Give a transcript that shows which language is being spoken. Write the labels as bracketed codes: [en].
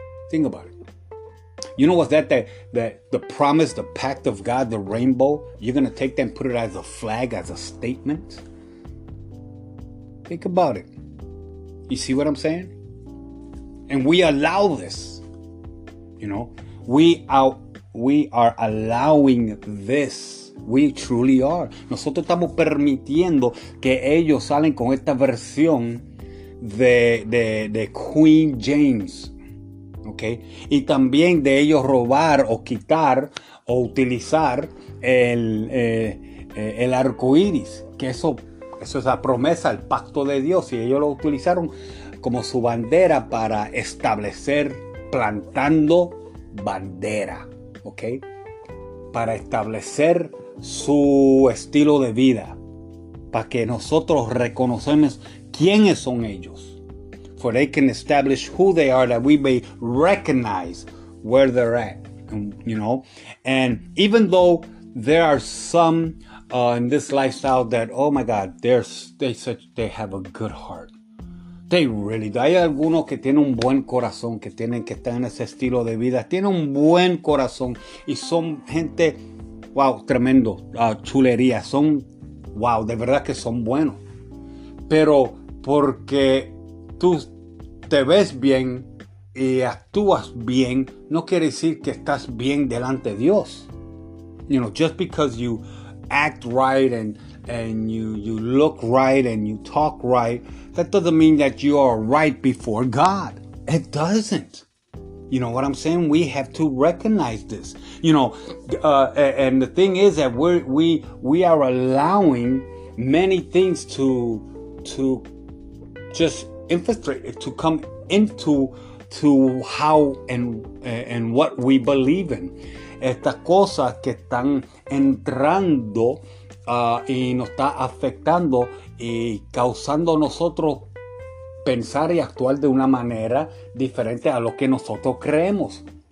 [en] Think about it. You know what's that? That the promise, the pact of God, the rainbow, you're going to take that and put it as a flag, as a statement? Think about it. You see what I'm saying? And we allow this, you know, we are allowing this. We truly are. [es] Nosotros estamos permitiendo que ellos salen con esta versión de Queen James, okay? Y también de ellos robar o quitar o utilizar el arco iris, que eso es la promesa, el pacto de Dios, y ellos lo utilizaron como su bandera para establecer, plantando bandera, ¿ok? Para establecer su estilo de vida, para que nosotros reconocemos quiénes son ellos. [en] For they can establish who they are, that we may recognize where they're at, you know? And even though there are some in this lifestyle that, oh my God, they have a good heart. They really do. [es] Hay algunos que tienen un buen corazón, que tienen que estar en ese estilo de vida. Tienen un buen corazón y son gente, wow, tremendo, chulería. Son, wow, de verdad que son buenos. Pero porque tú te ves bien y actúas bien, no quiere decir que estás bien delante de Dios. [en] You know, just because you act right and you look right and you talk right, that doesn't mean that you are right before God. It doesn't. You know what I'm saying? We have to recognize this. You know, and the thing is that we are allowing many things to just infiltrate, to come into to how and what we believe in. [es] Estas cosas que están entrando y nos está afectando y causando a nosotros pensar y actuar de una manera diferente a lo que nosotros creemos.